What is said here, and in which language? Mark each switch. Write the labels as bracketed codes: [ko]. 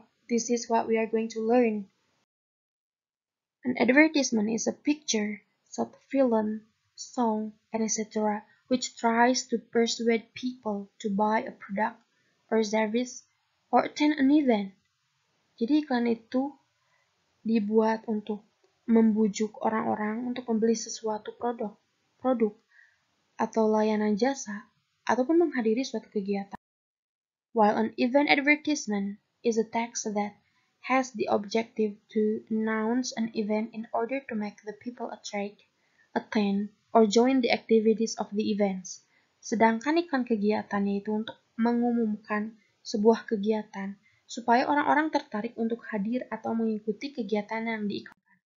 [en] This is what we are going to learn. An advertisement is a picture, short film, song, and etc. which tries to persuade people to buy a product or service or attend an event. [id] Jadi iklan itu dibuat untuk membujuk orang-orang untuk membeli sesuatu produk atau layanan jasa ataupun menghadiri suatu kegiatan. [en] While an event advertisement is a text that has the objective to announce an event in order to make the people attend or join the activities of the events. [id] Sedangkan iklan kegiatan yaitu untuk mengumumkan sebuah kegiatan supaya orang-orang tertarik untuk hadir atau mengikuti kegiatan yang diiklankan.